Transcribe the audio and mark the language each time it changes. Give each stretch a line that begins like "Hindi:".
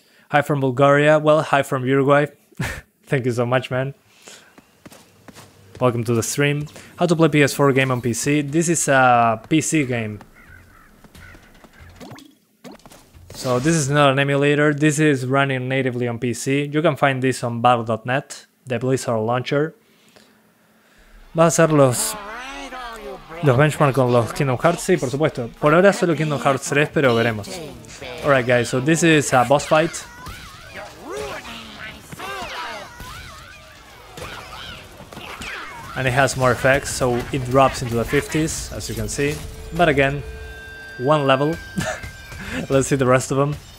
English: Hi from Bulgaria. Well, hi from Uruguay. Thank you so much, man. Welcome to the stream. How to play PS4 game on PC? This is a PC game. So this is not an emulator. This is running natively on PC. You can find this on battle.net, the Blizzard launcher.
Spanish: Va a ser los benchmarks con los Kingdom Hearts, sí, por supuesto. Por ahora solo Kingdom Hearts 3, pero veremos.
English: Alright guys, so this is a boss fight. And it has more effects, so it drops into the 50s, as you can see. But again, one level. Let's see the rest of them.